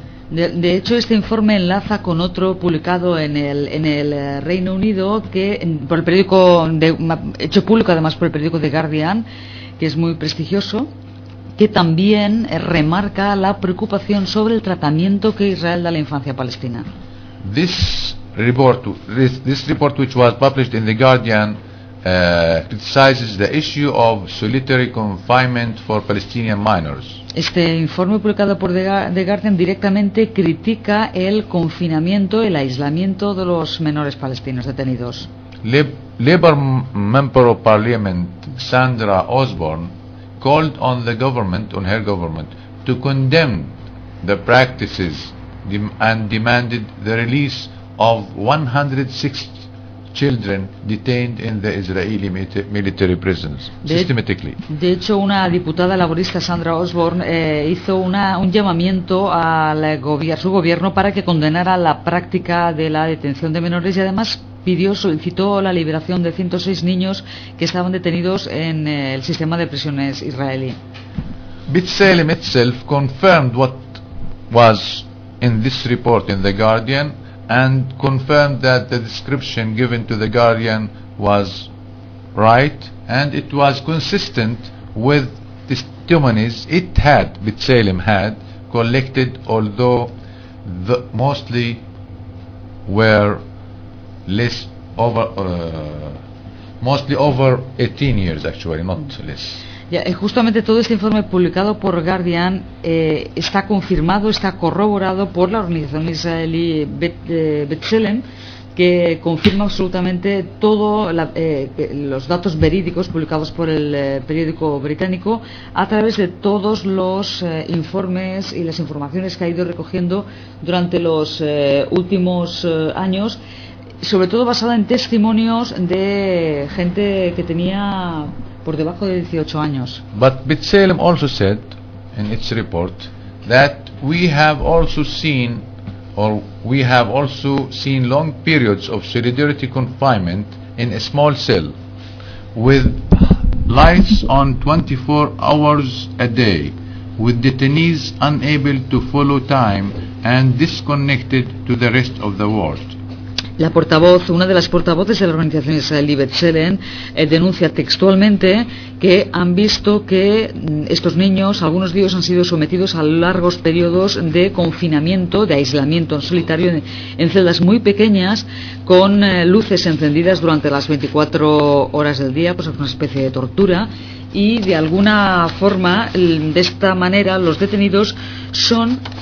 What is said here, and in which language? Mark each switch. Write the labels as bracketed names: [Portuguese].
[Spanish] De hecho, este informe enlaza con otro publicado en el Reino Unido hecho público además por el periódico The Guardian, que es muy prestigioso, que también remarca la preocupación sobre el tratamiento que Israel da a la infancia palestina. [English] This report, this report, which was published in The Guardian, criticizes the issue of solitary confinement for Palestinian minors. [Spanish] Este informe publicado por The Guardian directamente critica el confinamiento, el aislamiento de los menores palestinos detenidos. [English] Labour Member of Parliament Sandra Osborne called on the government, on her government, to condemn the practices and demanded the release of 160 children detained in the Israeli military prisons systematically. [Spanish] De hecho, una diputada laborista, Sandra Osborne, hizo un llamamiento a su gobierno para que condenara la práctica de la detención de menores y además solicitó la liberación de 106 niños que estaban detenidos en el sistema de prisiones israelí. [English] B'Tselem itself confirmed what was in this report in The Guardian and confirmed that the description given to The Guardian was right and it was consistent with testimonies it had, B'Tselem had, collected, although the mostly were less over, mostly over 18 years actually, not less. [Spanish] Ya, justamente todo este informe publicado por Guardian está confirmado, está corroborado por la organización israelí B'Tselem, que confirma absolutamente todo los datos verídicos publicados por el periódico británico a través de todos los informes y las informaciones que ha ido recogiendo durante los últimos años, sobre todo basada en testimonios de gente que tenía por debajo de 18 años. [English] But B'Tselem also said in its report that we have also seen, or we have also seen, long periods of solitary confinement in a small cell with lights on 24 hours a day, with detainees unable to follow time and disconnected to the rest of the world. [Spanish] La portavoz, una de las portavoces de la organización israelí B'Tselem, denuncia textualmente que han visto que estos niños, algunos de ellos han sido sometidos a largos periodos de confinamiento, de aislamiento en solitario, en celdas muy pequeñas, con luces encendidas durante las 24 horas del día, pues es una especie de tortura, y de alguna forma, de esta manera, los detenidos son